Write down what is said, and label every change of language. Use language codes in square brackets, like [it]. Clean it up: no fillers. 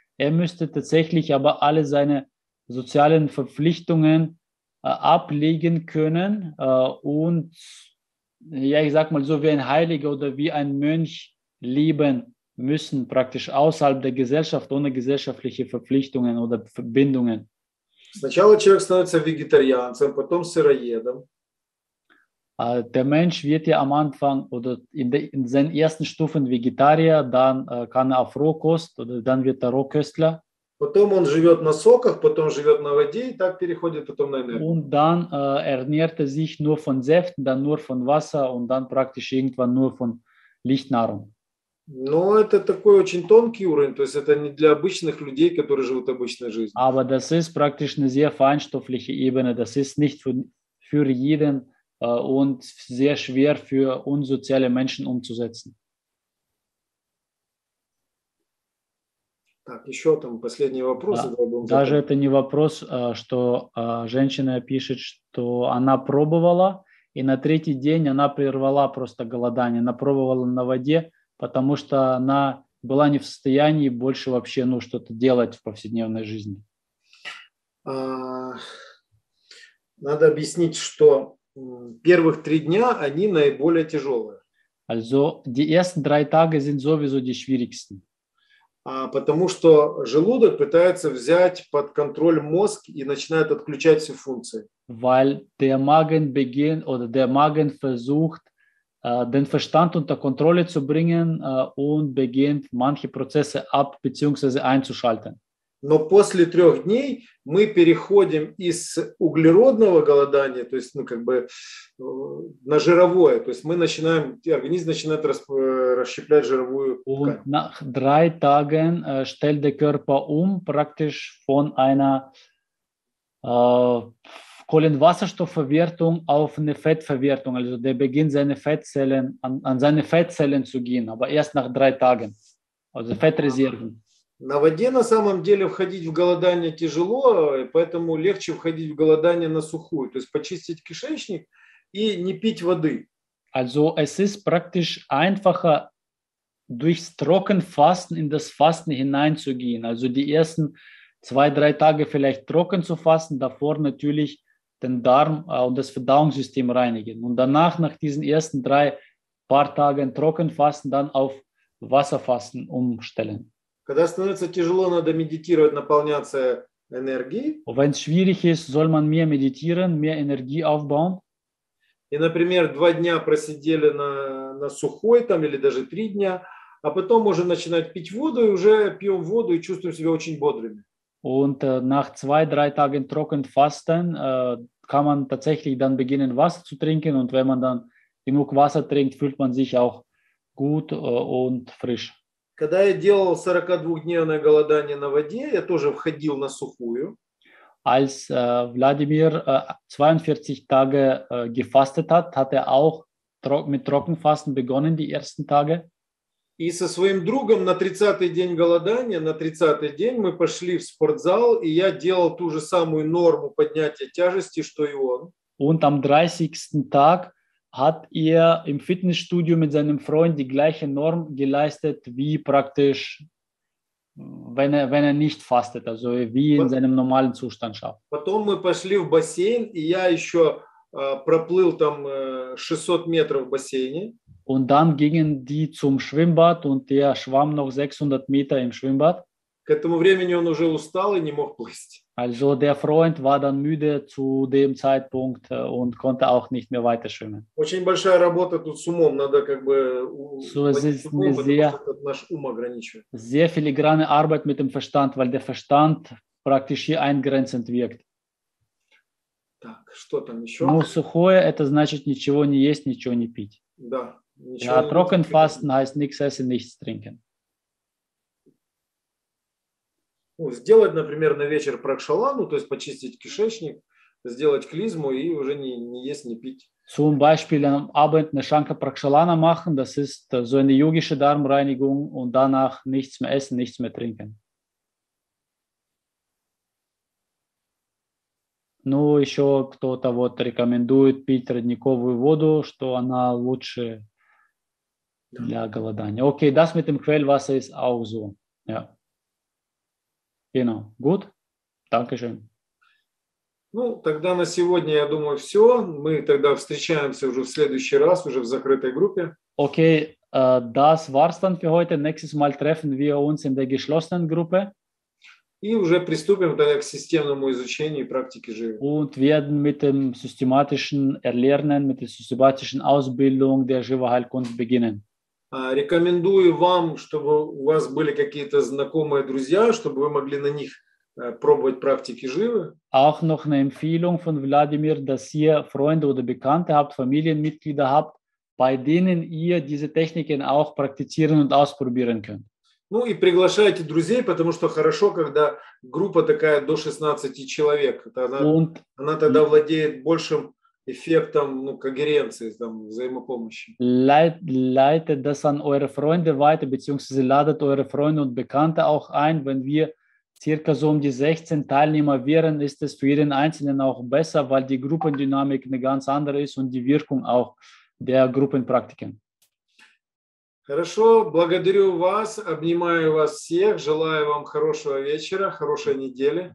[de] Er müsste tatsächlich aber alle seine sozialen Verpflichtungen ablegen können und, ja, ich sag mal so, wie ein Heiliger oder wie ein Mönch leben müssen praktisch außerhalb der Gesellschaft ohne gesellschaftliche Verpflichtungen oder Verbindungen. [ru] Сначала человек становится вегетарианцем, потом сыроедом. [de] Der Mensch wird ja am Anfang oder in seinen ersten Stufen Vegetarier, dann kann er auf Rohkost oder dann wird er Rohköstler. [ru] Потом он живет на соках, потом живет на воде и так переходит потом на энергию. [de] Und dann ernährt er sich nur von Säften, dann nur von Wasser und dann praktisch irgendwann nur von Lichtnahrung. [ru] Но это такой очень тонкий уровень, то есть это не для обычных людей, которые живут обычной жизнью. [de] Aber das ist praktisch eine sehr feinstoffliche Ebene, das ist nicht für jeden und sehr schwer für unsoziale Menschen umzusetzen. [ru] Так, еще там последний вопрос. Даже это не вопрос, что женщина пишет, что она пробовала, и на третий день она прервала просто голодание. Она пробовала на воде, потому что она была не в состоянии больше вообще ну, что-то делать в повседневной жизни. Надо объяснить, что первых три дня они наиболее тяжелые. [de] Also, die ersten drei Tage sind sowieso die schwierigsten. [ru] Потому что желудок пытается взять под контроль мозг и начинает отключать все функции. [de] Weil der Magen beginnt oder der Magen versucht den Verstand unter Kontrolle zu bringen und beginnt manche Prozesse ab bzw. einzuschalten. [ru] Но после трех дней мы переходим из углеродного голодания, то есть ну как бы на жировое, то есть мы начинаем организм начинает расщеплять жировую ткань. [de] Und nach drei Tagen stellt der Körper praktisch von einer Kohlenwasserstoffverwertung auf eine Fettverwertung, also der beginnt seine Fettzellen an seine Fettzellen zu gehen, aber erst nach drei Tagen, also Fettreserven. [ru] На воде на самом деле входить в голодание тяжело, поэтому легче входить в голодание на сухую, то есть почистить кишечник и не пить воды. [de] Also es ist praktisch einfacher durchs Trockenfasten in das Fasten hineinzugehen. Also die ersten zwei, drei Tage vielleicht trocken zu fasten, davor natürlich den Darm und das Verdauungssystem reinigen. Und danach, nach diesen ersten drei paar Tagen Trockenfasten, dann auf Wasserfasten umstellen. [ru] Когда становится тяжело, надо медитировать, наполняться энергией. [de] Wenn es schwierig ist, soll man mehr meditieren, mehr Energie aufbauen. [ru] И, например, два дня просидели на сухой, там, или даже три дня, а потом можно начинать пить воду, и уже пьем воду и чувствуем себя очень бодрыми. [de] Und nach zwei, drei Tagen Trockenfasten kann man tatsächlich dann beginnen, Wasser zu trinken, und wenn man dann genug Wasser trinkt, fühlt man sich auch gut und frisch. [ru] Когда я делал 42-дневное голодание на воде, я тоже входил на сухую. [de] Als Владимир 42 Tage gefastet hat, hat er auch mit Trockenfasten begonnen die ersten Tage. [ru] И со своим другом на 30-й день голодания, на 30-й день мы пошли в спортзал, и я делал ту же самую норму поднятия тяжести, что и он. [de] Und am 30. Tag hat im Fitnessstudio mit seinem Freund die gleiche Norm geleistet, wie praktisch, wenn er nicht fastet, also wie in seinem normalen Zustand schafft. [ru] Потом мы пошли в бассейн, и я еще проплыл там 600 метров в бассейне. [de] Und dann gingen die zum Schwimmbad und er schwamm noch 600 Meter im Schwimmbad. [ru] К этому времени он уже устал и не мог плыть. [de] Also der Freund war dann müde zu dem Zeitpunkt und konnte auch nicht mehr weiter schwimmen. [ru] Очень большая работа тут с умом, надо как бы наш ум ограничивает. [de] Sehr filigrane Arbeit mit dem Verstand, weil der Verstand praktisch hier eingrenzend wirkt. [ru] Так, что там еще? Ну, сухое это значит ничего не есть, ничего не пить. Да. [de] Ja, Trockenfasten heißt nichts essen, nichts trinken. [ru] Сделать, например, на вечер пракшалану, то есть почистить кишечник, сделать клизму и уже не есть, не пить. [de] Zum Beispiel am Abend eine Shankha Prakshalana machen, das ist so eine yogische Darmreinigung und danach nichts mehr essen, nichts mehr trinken. [ru] Ну, еще кто-то вот рекомендует пить родниковую воду, что она лучше для голодания. [de] Окей, das mit dem Quellwasser ist auch so. Ja. Genau. Gut. Dankeschön. [ru] Ну, тогда на сегодня, я думаю, все. Мы тогда встречаемся уже в следующий раз, уже в закрытой группе. [de] Окей, das war's dann für heute. Nächstes Mal treffen wir uns in der geschlossenen Gruppe. [ru] И уже приступим тогда к системному изучению и практике живи. [de] Und werden mit dem systematischen Erlernen, mit der systematischen Ausbildung der Jiva-Heilkunst beginnen. [ru] Рекомендую вам, чтобы у вас были какие-то знакомые друзья, чтобы вы могли на них пробовать практики живы. [de] Auch noch eine Empfehlung von Wladimir, dass ihr Freunde oder Bekannte habt, Familienmitglieder habt, bei denen ihr diese Techniken auch praktizieren und ausprobieren könnt. [ru] Ну и приглашайте друзей, потому что хорошо, когда группа такая до 16 человек. Она тогда владеет большим эффектом, ну, когеренции, там, взаимопомощи. [de] Leitet das an eure Freunde weiter, beziehungsweise ladet eure Freunde und Bekannte auch ein, wenn wir circa so um die 16 Teilnehmer wären, ist es für jeden Einzelnen auch besser, weil die Gruppendynamik eine ganz andere ist und die Wirkung auch der Gruppenpraktiken. [ru] Хорошо, благодарю вас, обнимаю вас всех, желаю вам хорошего вечера, хорошей недели.